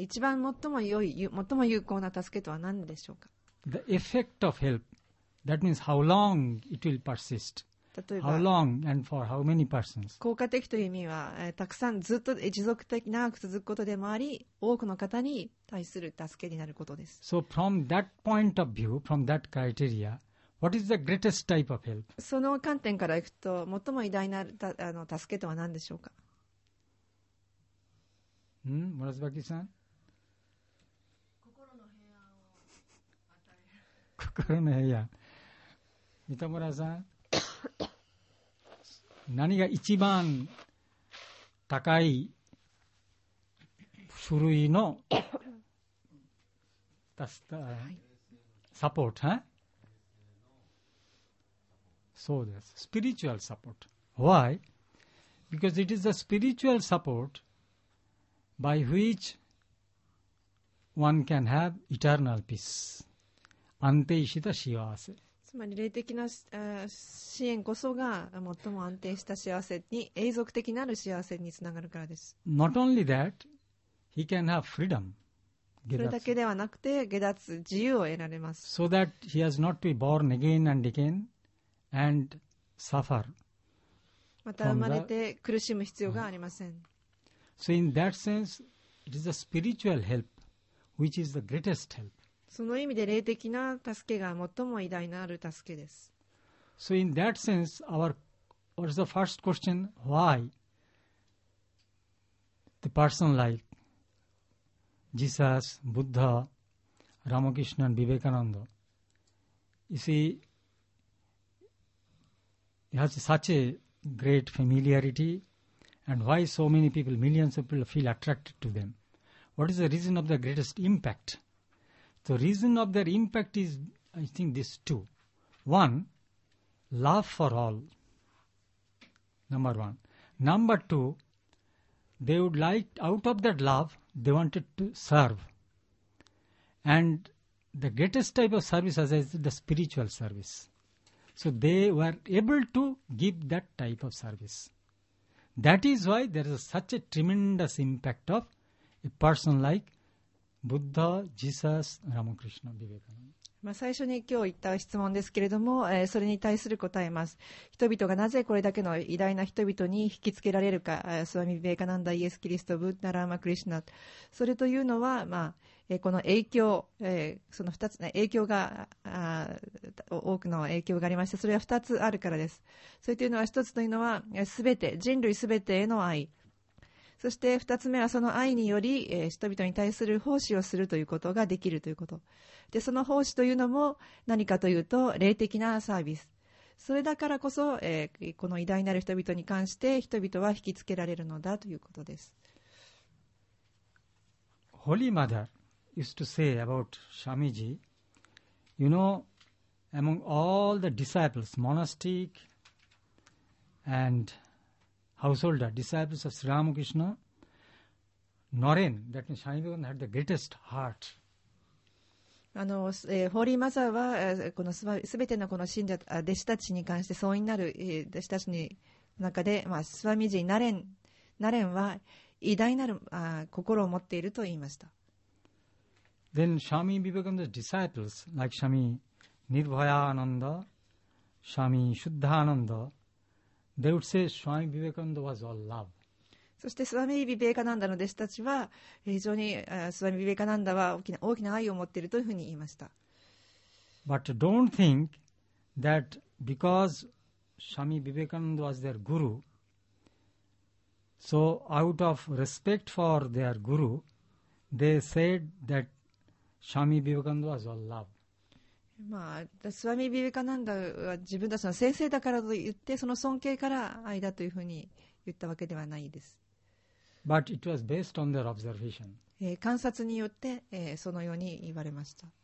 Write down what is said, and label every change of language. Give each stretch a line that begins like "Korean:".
Japanese: 一番最も良い、最も有効な助けとは何でしょうか？
English: The effect of help. That means how long it will persist. How long and for how many persons?
Japanese: 効果的という意味は、たくさんずっと持続的長く続くことでもあり、多くの方に対する助けになることです。
English: So from that point of view, from that criteria, what is the greatest type of help?
Japanese: その観点からいくと、最も偉大な助けとは何でしょうか？モラズバキさん。心の平安を与える。心の平安。三田村さん。何が一番高い種類のサポート、はい、そうです。スピリチュアルサポート。
English: Why? Because it is the spiritual support by which one can have eternal peace.
Japanese: Anteishita shivase. つまり霊的な支援こそが最も安定した幸せに永続的なる幸せにつながるからです。
English: Not only that, he can have freedom.
Japanese: それだけではなくて下脱自由を得られます。
English: So that he has not to be born again and again and suffer.
Japanese: また生まれて苦しむ必要がありません。
English: So in that sense, it is a spiritual help which is the greatest help.
Japanese: その意味で霊的な助けが最も偉大なる助けです。
English: So in that sense, what is the first question? Why the person like Jesus, Buddha, Ramakrishna and Vivekananda, you see, he has such a great familiarity and why so many people, millions of people feel attracted to them? What is the reason of the greatest impact? The reason of their impact is, I think, this two. One, love for all, number one. Number two, they would like, out of that love, they wanted to serve. And the greatest type of service, as I said, the spiritual service. So they were able to give that type of service. That is why there is such a tremendous impact of a person like,Buddha, Jesus, Ramakrishna, Vivekananda.
Japanese: まあ最初に今日言った質問ですけれども、それに対する答えます。人々がなぜこれだけの偉大な人々に引きつけられるか、スワミ・ビベカナンダ、イエス・キリスト、ブッダ、ラーマ・クリシュナ、それというのは、まあこの影響、その2つの影響が多くの影響がありました。それは2つあるからです。それというのは1つというのは、全て人類全てへの愛。そして二つ目はその愛により人々に対する奉仕をするということができるということ。で、その奉仕というのも何かというと霊的なサービス。それだからこそこの偉大なる人々に関して人々は引きつけられるのだということです。
English: Holy Mother used to say about Shamiji, you know, among all the disciples, monastic and... householder, disciples of Sri Ramakrishna, Naren, that means Shami Vivekananda had the greatest heart.
Japanese: Holy Mother は、この全てのこの信者、弟子たちに関して総員なる、弟子たちの中で、まあ、スワミジー、ナレンは偉大なる、心を持っていると言いました。
English: Then Shami Vivekananda's disciples, like Shami Nirbhayananda, Shami Shuddhananda,They would say Swami Vivekananda was all love.
Japanese: そしてスワミ・ビベカナンダの弟子たちは非常にスワミ・ビベカナンダは大きな愛を持っているというふうに言いました。
English: But don't think that because Swami Vivekananda was their guru, so out of respect for their guru, they said that Swami Vivekananda was all love.
Japanese: まあ、スワミ・ビベカナンダは自分たちの先生だからと言ってその尊敬から愛だというふうに言ったわけではないです。
English: But it was based on their observation.
Japanese: 観察によって、そのように言われました。